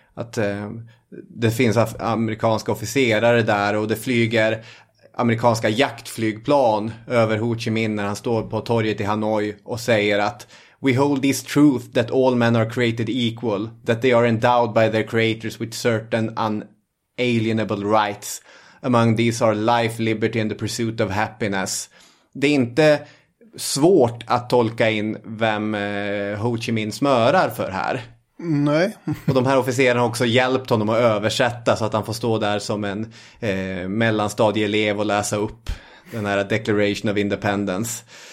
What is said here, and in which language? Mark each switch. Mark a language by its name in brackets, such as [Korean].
[Swedish] Att det finns amerikanska officerare där och det flyger amerikanska jaktflygplan över Ho Chi Minh när han står på torget i Hanoi och säger att [English] "We hold this truth that all men are created equal, that they are endowed by their creators with certain unalienable rights. Among these are life, liberty and the pursuit of happiness." [Swedish] Det är inte svårt att tolka in vem Ho Chi Minh smörar för här. Nej. Och de här officerarna har också hjälpt honom att översätta så att han får stå där som en mellanstadieelev och läsa upp den här Declaration of Independence.